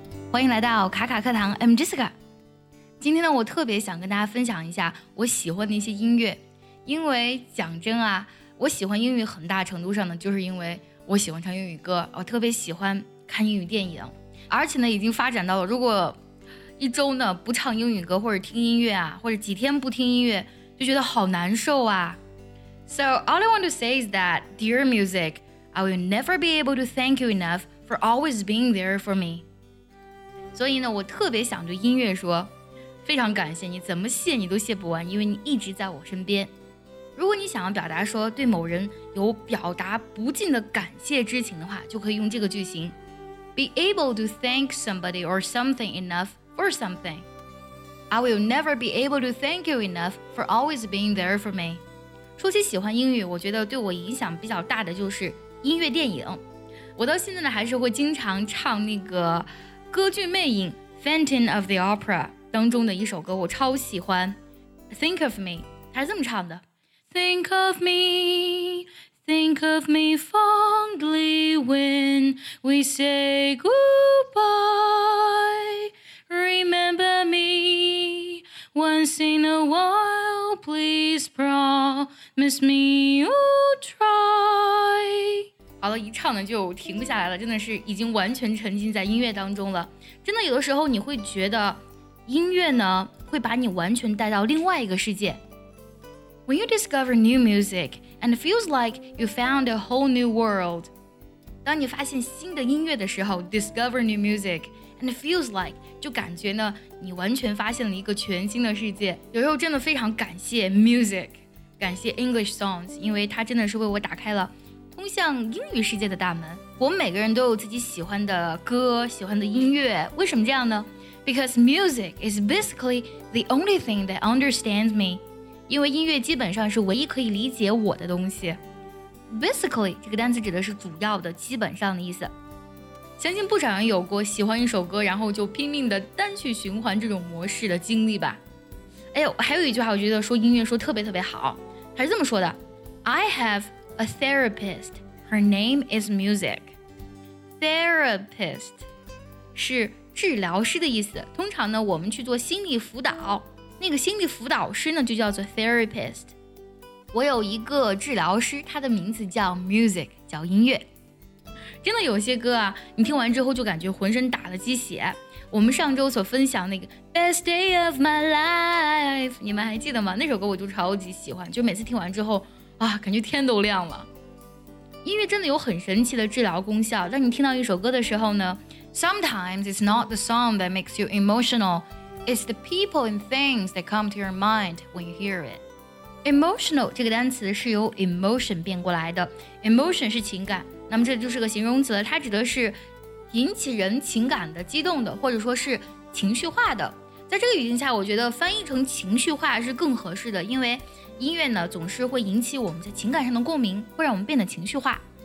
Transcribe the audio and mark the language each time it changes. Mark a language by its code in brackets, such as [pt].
[zh] 欢迎来到卡卡课堂 ， [en] I'm Jessica。 [zh] 今天呢，我特别想跟大家分享一下我喜欢的一些音乐，因为讲真啊，我喜欢英语很大程度上呢，就是因为我喜欢唱英语歌，我特别喜欢看英语电影，而且呢，已经发展到了如果一周呢不唱英语歌或者听音乐啊，或者几天不听音乐，就觉得好难受啊。 [en] So all I want to say is that, dear music, I will never be able to thank you enough for always being there for me. [zh] 所以呢，我特别想对音乐说，非常感谢你，怎么谢你都谢不完，因为你一直在我身边。如果你想要表达说对某人有表达不尽的感谢之情的话，就可以用这个句型 ： [en] Be able to thank somebody or something enough for something. I will never be able to thank you enough for always being there for me. [zh] 说起喜欢英语，我觉得对我影响比较大的就是音乐电影。我到现在呢，还是会经常唱那个。歌剧魅影 Phantom of the Opera 当中的一首歌我超喜欢 [en] Think of me 它是这么唱的 Think of me Think of me fondly When we say goodbye Remember me Once in a while Please promise me you'll try [zh] 好了，一唱呢就停不下来了，真的是已经完全沉浸在音乐当中了。真的，有的时候你会觉得音乐呢会把你完全带到另外一个世界。 [en] When you discover new music and it feels like you found a whole new world， [zh] 当你发现新的音乐的时候 ， [en] discover new music and it feels like [zh] 就感觉呢你完全发现了一个全新的世界。有时候真的非常感谢 music， 感谢 [en] English songs， [zh] 因为它真的是为我打开了。通向英语世界的大门，我们每个人都有自己喜欢的歌，喜欢的音乐，为什么这样呢 ？ [en] Because music is basically the only thing that understands me， [zh] 因为音乐基本上是唯一可以理解我的东西。 Basically 这个单词指的是主要的、基本上的意思。相信不少人有过喜欢一首歌，然后就拼命的单曲循环这种模式的经历吧。哎呦，还有一句话，我觉得说音乐说特别特别好，还是这么说的 ： [en] I have。 A therapist, her name is music. [zh] Therapist 是治疗师的意思。通常呢，我们去做心理辅导，那个心理辅导师呢就叫做 therapist。我有一个治疗师，他的名字叫 music， 叫音乐。真的有些歌啊，你听完之后就感觉浑身打了鸡血。我们上周所分享那个 Best Day of My Life， 你们还记得吗？那首歌我就超级喜欢，就每次听完之后。啊，感觉天都亮了。音乐真的有很神奇的治疗功效，当你听到一首歌的时候呢 [en] Sometimes it's not the song that makes you emotional, it's the people and things that come to your mind when you hear it. [zh] Emotional 这个单词是由 emotion 变过来的， emotion 是情感，那么这就是个形容词，它指的是引起人情感的激动的，或者说是情绪化的。在这个语境下，我觉得翻译成情绪化是更合适的，因为音乐呢总是会引起我们在情感上的共鸣，会让我们变得情绪化。